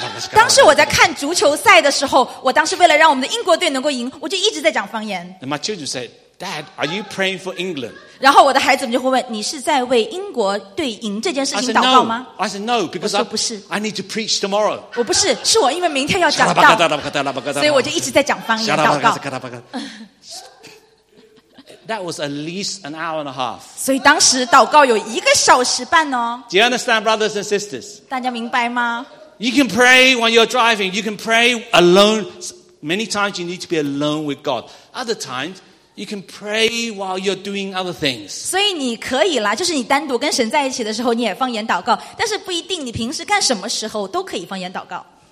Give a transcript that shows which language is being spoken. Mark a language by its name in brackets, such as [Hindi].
[Chinese] 当时我在看足球赛的时候，我当时为了让我们的英国队能够赢，我就一直在讲方言。 [English] And my children said, "Dad, are you praying for England?" [Chinese] 然后我的孩子们就会问：“你是在为英国队赢这件事情祷告吗？” [English] I said, "No, because I need to preach tomorrow." [Chinese] 我不是，是我因为明天要讲道，所以我就一直在讲方言祷告。 [English] That was at least an hour and a half. [Chinese] 所以当时祷告有一个小时半哦。 [English] Do you understand, brothers and sisters? [Chinese] 大家明白吗？ [English] You can pray when you're driving. You can pray alone. Many times you need to be alone with God. Other times, you can pray while you're doing other things. [Chinese] 所以你可以啦，就是你单独跟神在一起的时候，你也方言祷告。但是不一定，你平时干什么时候都可以方言祷告。